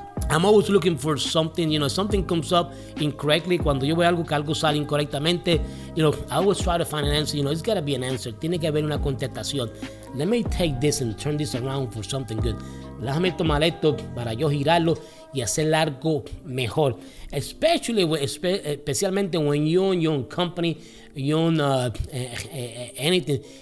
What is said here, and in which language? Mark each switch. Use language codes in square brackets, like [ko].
[en] I'm always looking for something, you know, something comes up incorrectly. [es] Cuando yo veo algo que algo sale incorrectamente, [en] you know, I always try to find an answer. You know, it's got to be an answer. [es] Tiene que haber una contestación. [en] Let me take this and turn this around for something good. [es] Déjame tomar esto para yo girarlo y hacer algo mejor. [en] Especialmente when you own your own company, you own anything.